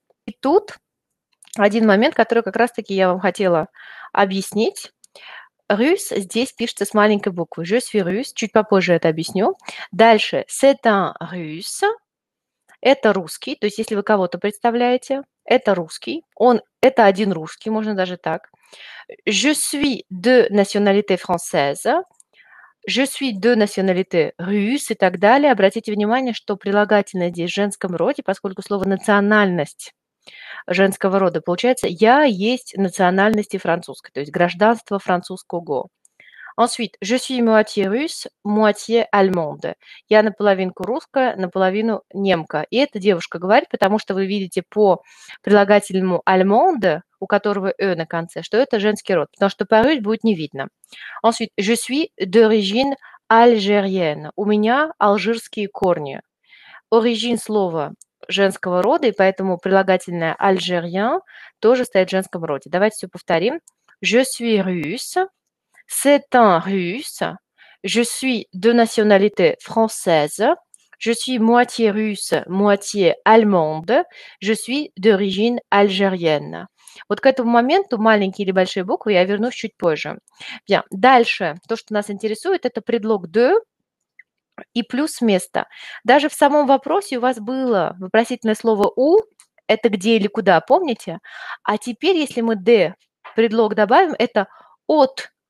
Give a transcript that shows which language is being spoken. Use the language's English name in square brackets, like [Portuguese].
[Russian] И тут один момент, который как раз-таки я вам хотела объяснить. Russe здесь пишется с маленькой буквы. [French] Je suis russe. [Russian] Чуть попозже это объясню. Дальше. C'est un russe. Это русский. То есть если вы кого-то представляете, это русский. Он, это один русский, можно даже так. [French] Je suis de nationalité française. Je suis de nationalité russe и так далее. [Russian] Обратите внимание, что прилагательное здесь в женском роде, поскольку слово «национальность» женского рода получается «я есть национальности французской», то есть гражданство французского. [French] Ensuite, je suis moitié russe, moitié allemande. [Russian] Я наполовинку русская, наполовину немка. И это девушка говорит, потому что вы видите по прилагательному allemande, у которого «e» на конце, что это женский род, потому что по-русски будет не видно. [French] Ensuite, je suis d'origine algérienne. [Russian] У меня алжирские корни. Origin – слово женского рода, и поэтому прилагательное «algérien» тоже стоит в женском роде. [French] Давайте все повторим. Je suis russe. C'est un russe. Je suis de nationalité française. Je suis moitié russe, moitié allemande. Je suis d'origine algérienne. [Russian] Вот к этому моменту маленькие или большие буквы я вернусь чуть позже. Bien. Дальше. То, что нас интересует, это предлог de и плюс место. Даже в самом вопросе у вас было вопросительное слово у. Это где или куда, помните? А теперь, если мы de предлог добавим, это от.